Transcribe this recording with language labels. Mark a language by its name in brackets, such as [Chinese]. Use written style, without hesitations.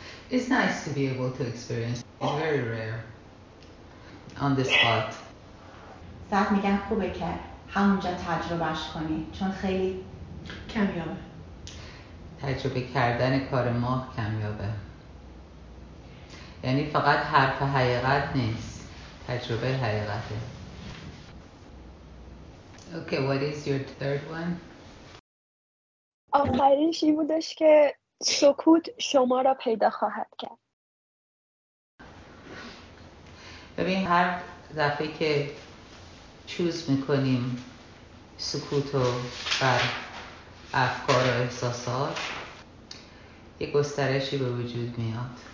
[English] It's nice to be able to experience. It's very rare on this spot. [Persian] صد میگن خوبه که همونجا تجربهش کنی چون خیلی کمیابه. تجربه کردن کار ما کمیابه. یعنی فقط حرف حقیقت نیست، تجربه حقیقته. [English] Okay, what is your third one? [Persian] آخرینش این بودش که سکوت شما را پیدا خواهد کرد. ببین هر دفعه که چوز میکنیم سکوت رو بر افکار و احساسات، یک گسترشی به وجود میاد.